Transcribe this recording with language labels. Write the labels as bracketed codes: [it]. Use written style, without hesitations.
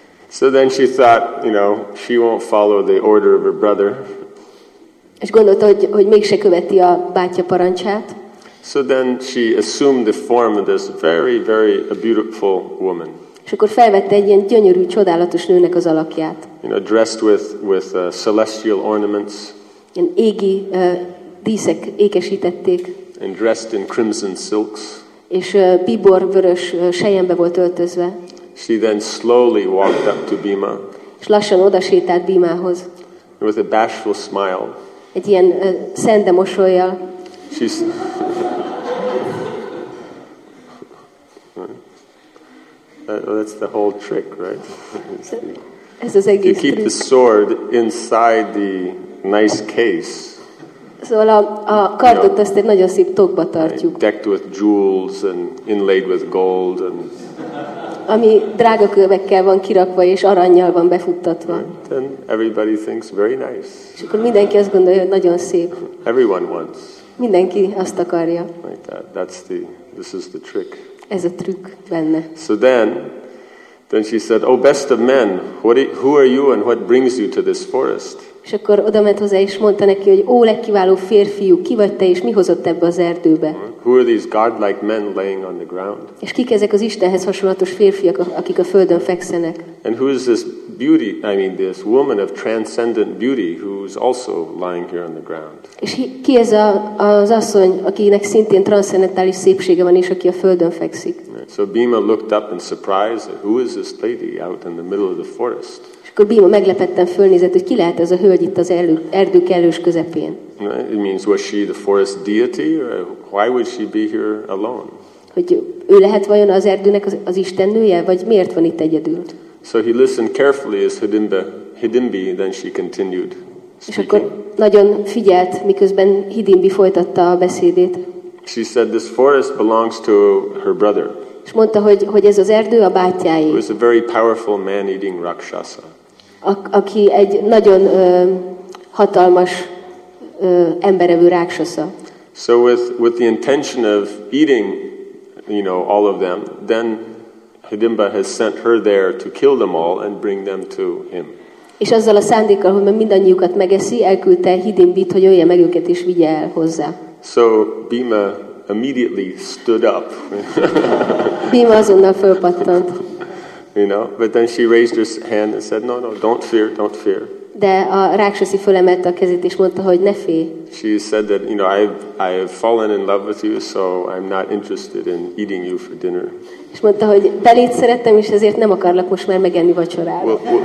[en] So then she thought, you know, she won't follow the order of her brother. [hu] És gondolta, hogy mégse követi a bátyja parancsát. [en] So then she assumed the form of this very, very beautiful woman. [hu] És akkor felvette egy ilyen gyönyörű, csodálatos nőnek az alakját. [en] You know, dressed with celestial ornaments. [hu] Ilyen égi díszek ékesítették. [en] And dressed in crimson silks. [hu] És bíbor vörös selyembe volt öltözve. [en] She then slowly walked up to Bhima. [hu] És lassan odasétált Bhimához. [en] With a bashful smile. [hu] Egy ilyen szende mosollyal. [en] That's the whole trick, right? [hu] Ez az egész [en] trükk. You keep the sword inside the nice case. [hu] Szóval a kardot, [en] you know, [hu] azt egy nagyon szép tokba tartjuk. [en] Right, decked with jewels and inlaid with gold. And [hu] ami drága kövekkel van kirakva és arannyal van befuttatva. Right, [en] and everybody thinks very nice. [hu] És akkor mindenki azt gondolja, hogy nagyon szép. [en] Everyone wants. [hu] Mindenki azt akarja. [en] Like that. That's the, this is the trick. [hu] Ez a trükk benne. [en] So then she said, "Oh, best of men, who are you and what brings you to this forest?" [hu] És akkor oda ment hozzá és mondta neki, hogy ó, legkiváló férfiú, ki vagy te és mi hozott ebbe az erdőbe? [en] Who are these god-like men laying on the ground? [hu] És kik ezek az Istenhez hasonlatos férfiak, akik a földön fekszenek? [en] And who is this beauty, I mean this woman of transcendent beauty who's also lying here on the ground? [hu] És ki ez az asszony, akinek szintén transzcendentális szépsége van és aki a földön fekszik? [en] So Bhima looked up in surprise, who is this lady out in the middle of the forest? [hu] Akkor Bhima meglepetten fölnézett, hogy ki lehet ez a hölgy itt az erdő kellős közepén. [en] It means, was she the forest deity, or why would she be here alone? [hu] Hogy ő lehet vajon az erdőnek az istennője, vagy miért van itt egyedül? [en] So he listened carefully as Hidimbi, then she continued speaking. [hu] És akkor nagyon figyelt, miközben Hidimbi folytatta a beszédét. [en] She said, this forest belongs to her brother. [hu] És mondta, hogy ez az erdő a bátyái. [en] Who is a very powerful man-eating rakshasa. [hu] Aki egy nagyon hatalmas emberevő rákshasa. [en] So with the intention of eating, you know, all of them, then Hidimba has sent her there to kill them all and bring them to him. [hu] És azzal a szándékkal, hogy mindannyiukat megeszi, elküldte Hidimbit, hogy ölje meg őket és vigye el hozzá. [en] So Bhima immediately stood up. [hu] Bhima azonnal fölpattant. [en] You know, but then she raised her hand and said, no, don't fear, don't fear. [hu] De a rákshasi fölemelte a kezét és mondta, hogy ne félj. [en] She said that, you know, I have fallen in love with you, so I'm not interested in eating you for dinner. [hu] És mondta, hogy beléd szerettem, és ezért nem akarlak most már megenni vacsorára.